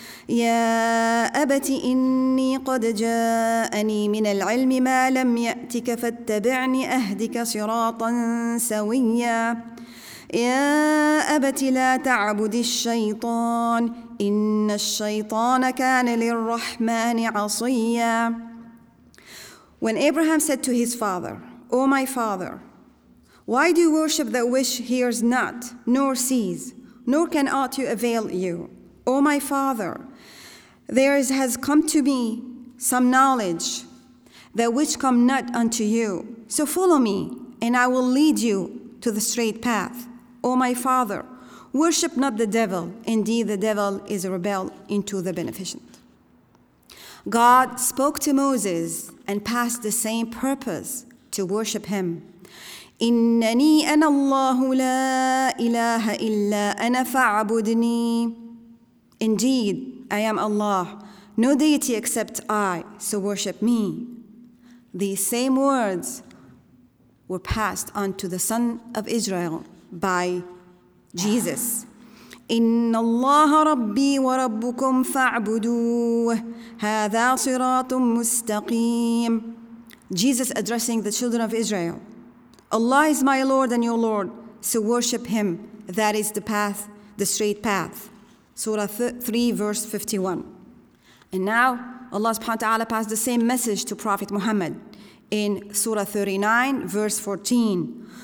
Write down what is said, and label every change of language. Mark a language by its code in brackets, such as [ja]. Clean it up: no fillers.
[ar] يا أبت إني قد جاءني من العلم ما لم يأتك فاتبعني أهدك صراطا سويا يا أبت لا تعبد الشيطان إن الشيطان كان للرحمن عصيا. [en] When Abraham said to his father, O my father, why do you worship that which hears not, nor sees, nor can aught you avail you? O my father, there has come to me some knowledge, that which come not unto you. So follow me, and I will lead you to the straight path. O my father, worship not the devil. Indeed, the devil is a rebel into the beneficent. God spoke to Moses and passed the same purpose to worship him. [ar] إنني أنا الله لا إله إلا أنا فاعبدني. [en] Indeed, I am Allah. No deity except I, so worship me. These same words were passed on to the son of Israel by Jesus. [ar] إن الله ربي وربكم فاعبدوه هذا صراط مستقيم. [en] Jesus addressing the children of Israel. Allah is my Lord and your Lord, so worship him. That is the path, the straight path. Surah 3, verse 51. And now, Allah subhanahu wa ta'ala passed the same message to Prophet Muhammad in Surah 39, verse 14.